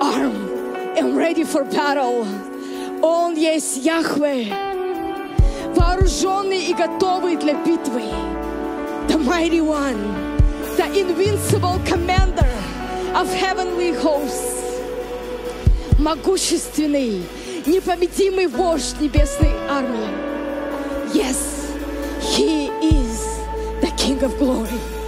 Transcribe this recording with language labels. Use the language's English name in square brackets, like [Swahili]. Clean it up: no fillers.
[English] Arm and ready for battle. [Russian] Он есть Яхве, вооруженный и готовый для битвы. [English] The mighty one, the invincible commander of heavenly hosts. [Russian] Могущественный, непобедимый вождь небесной армии. [English] Yes, he is the king of glory.